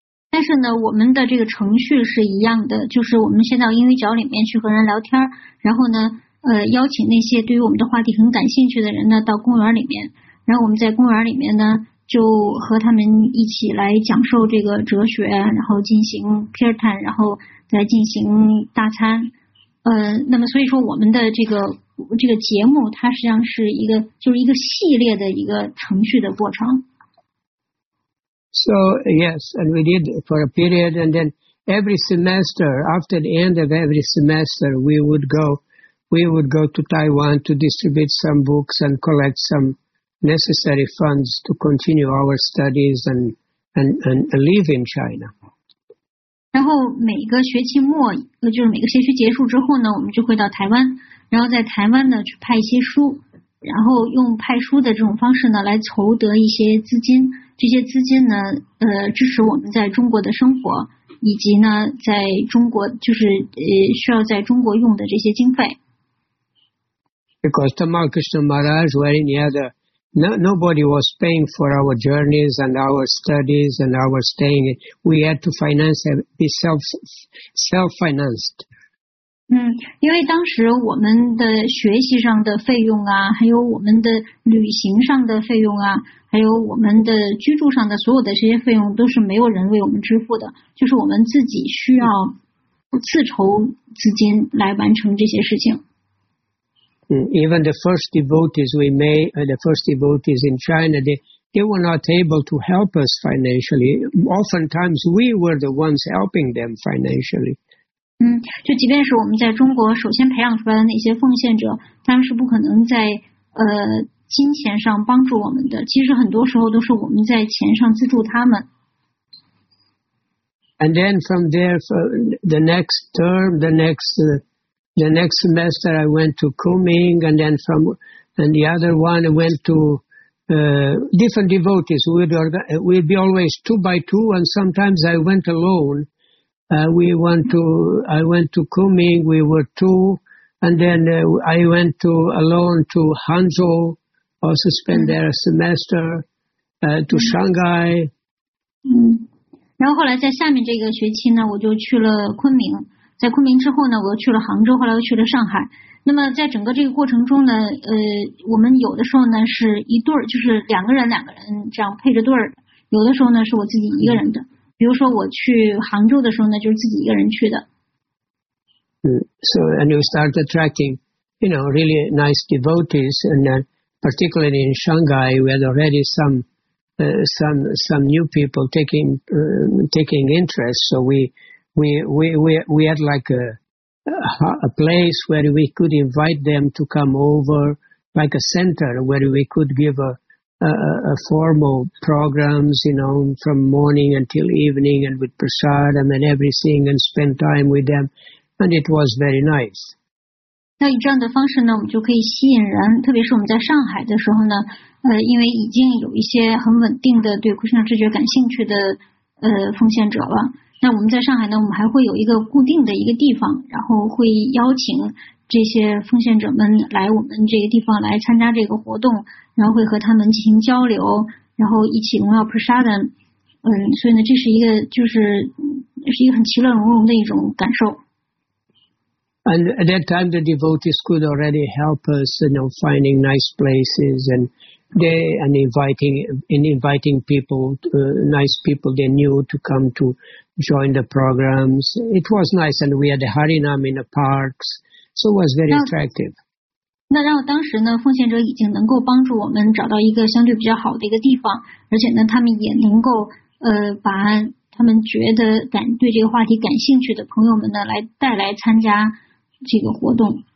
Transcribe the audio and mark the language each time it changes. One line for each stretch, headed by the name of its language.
Chinese: 但是呢我们的这个程序是一样的，就是我们先到英语角里面去和人聊天，然后呢邀请那些对于我们的话题很感兴趣的人呢到公园里面，然后我们在公园里面呢就和他们一起来讲授这个哲学，然后进行 kirtan, 然后再进行大餐。那么所以说我们的这个节目它实际上是一个就是一个系列的一个程序的过程。
English: So, yes, and we did for a period, and then every semester, after the end of every semester, we would go to Taiwan to distribute some books and collect some necessary funds to continue our studies and live in China.
Chinese: 然后每个学期末，就是每个学期结束之后呢，我们就会到台湾，然后在台湾呢去派一些书，然后用派书的这种方式呢来筹得一些资金。这些资金呢支持我们在中国的生活，以及呢在中国就是需要在中国用的这些经费。
English: Because Tamal Krishna Maharaj or any other, nobody was paying for our journeys and our studies and our staying. We had to finance, be self-financed.
Chinese: 因为当时我们的学习上的费用啊，还有我们的旅行上的费用啊，还有我们的居住上的所有的这些费用都是没有人为我们支付的，就是我们自己需要自筹资金来完成这些事情。
English: Even the first devotees we made, the first devotees in China, they were not able to help us financially. Oftentimes we were the ones helping them financially.
Chinese: 就即便是我们在中国首先培养出来的那些奉献者，他们是不可能在金钱上帮助我们的，其实很多时候都是我们在钱上资助他们。
English: And then from there, the next term, the next semester, I went to Kunming, and then from and the other one I went to different devotees. We'd be always two by two, and sometimes I went alone. I went to Kunming. We were two, and then I went to alone to Hangzhou. Also spend their semester to Shanghai.
Chinese: 然后后来在下面这个学期呢，我就去了昆明，在昆明之后呢，我去了杭州，后来又去了上海。那么在整个这个过程中呢，我们有的时候呢是一对儿，就是两个人两个人这样配着对儿；有的时候呢是我自己一个人的。比如说我去杭州的时候呢，就是自己一个人去的。
English: So and you start attracting, you know, really nice devotees, and then particularly in Shanghai, we had already some new people taking interest. So we had like a place where we could invite them to come over, like a center where we could give a formal programs, you know, from morning until evening, and with prasadam and everything, and spend time with them, and it was very nice.
Chinese: 那以这样的方式呢，我们就可以吸引人，特别是我们在上海的时候呢，因为已经有一些很稳定的对库什纳知觉感兴趣的奉献者了。那我们在上海呢，我们还会有一个固定的一个地方，然后会邀请这些奉献者们来我们这个地方来参加这个活动，然后会和他们进行交流，然后一起荣耀 prasadam。所以呢，这是一个很其乐融融的一种感受。
English: And at that time, the devotees could already help us, you know, finding nice places and inviting people, nice people they knew to come to join the programs. It was nice, and we had the Harinam in the parks, so it was very attractive.
Chinese: 那让当时呢，奉献者已经能够帮助我们找到一个相对比较好的一个地方，而且呢，他们也能够把他们觉得对这个话题感兴趣的朋友们呢，来带来参加这个活动。